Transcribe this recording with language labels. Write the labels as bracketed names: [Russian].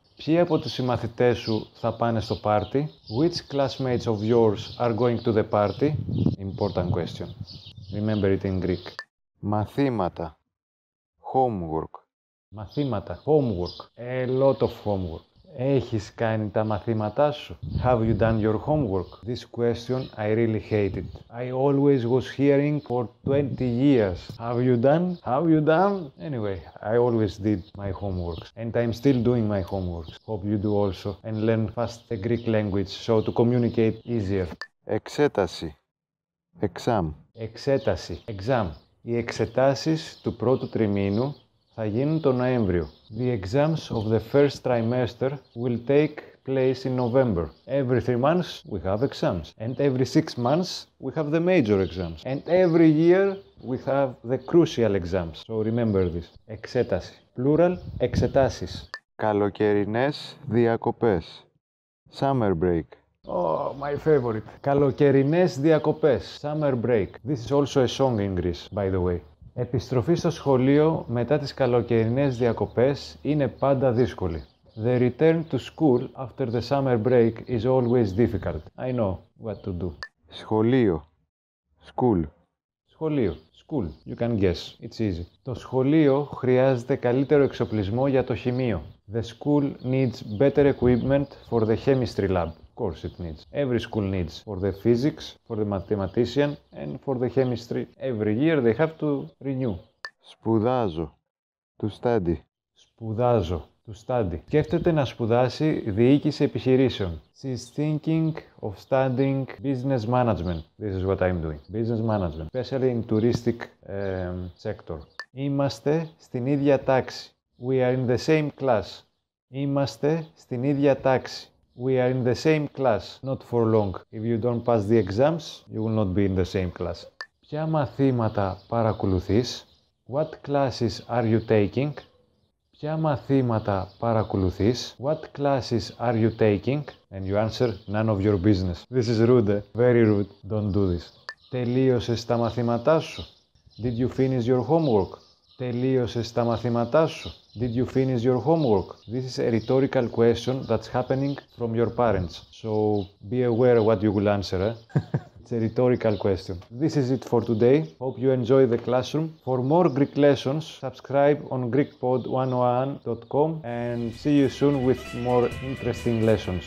[Greek] Ποιοι από τους συμμαθητές σου θα πάνε στο πάρτι? [English] Which classmates of yours are going to the party? Important question. Remember it in Greek. [Greek] Μαθήματα. [English] Homework. [Greek] Μαθήματα. [English] Homework. A lot of homework. [Greek] Έχεις κάνει τα μαθήματά σου? [English] Have you done your homework? This question, I really hate it. I always was hearing for 20 years. Have you done? Have you done? Anyway, I always did my homeworks. And I'm still doing my homeworks. Hope you do also. And learn fast the Greek language so to communicate easier. [Greek] Εξέταση. [English] Exam. [Greek] Εξέταση. [English] Exam. [Greek] Οι εξετάσεις του πρώτου τριμήνου θα γίνουν τον Νοέμβριο. [English] The exams of the first trimester will take place in November. Every 3 months we have exams. And every 6 months we have the major exams. And every year we have the crucial exams. So remember this. [Greek] Εξέταση. [English] Plural, [Greek] εξετάσεις. Καλοκαιρινές διακοπές. [English] Summer break. Oh, my favorite. [Greek] Καλοκαιρινές διακοπές. [English] Summer break. This is also a song in Greece, by the way. [Greek] Επιστροφή στο σχολείο μετά τις καλοκαιρινές διακοπές είναι πάντα δύσκολη. [English] The return to school after the summer break is always difficult. I know what to do. [Greek] Σχολείο. [English] School. [Greek] Σχολείο. [English] School. You can guess. It's easy. [Greek] Το σχολείο χρειάζεται καλύτερο εξοπλισμό για το χημείο. [English] The school needs better equipment for the chemistry lab. Of course it needs. Every school needs for the physics, for the mathematician, and for the chemistry. Every year they have to renew. [Greek] Σπουδάζω. [English] To study. [Greek] Σπουδάζω. [English] To study. [Greek] Σκέφτεται να σπουδάσει διοίκηση επιχειρήσεων. [English] She's thinking of studying business management. This is what I'm doing. Business management. Especially in touristic sector. [Greek] Είμαστε στην ίδια τάξη. [English] We are in the same class. [Greek] Είμαστε στην ίδια τάξη. [English] We are in the same class, not for long. If you don't pass the exams, you will not be in the same class. [Greek] Ποια μαθήματα παρακολουθείς? [English] What classes are you taking? [Greek] Ποια μαθήματα παρακολουθείς? [English] What classes are you taking? And you answer, none of your business. This is rude, eh? Very rude. Don't do this. [Greek] Τελείωσες τα μαθήματά σου? [English] Did you finish your homework? [Greek] Τελείωσες τα μαθήματά σου? [English] Did you finish your homework? This is a rhetorical question that's happening from your parents. So be aware what you will answer. Eh? It's a rhetorical question. This is it for today. Hope you enjoy the classroom. For more Greek lessons, subscribe on GreekPod101.com and see you soon with more interesting lessons.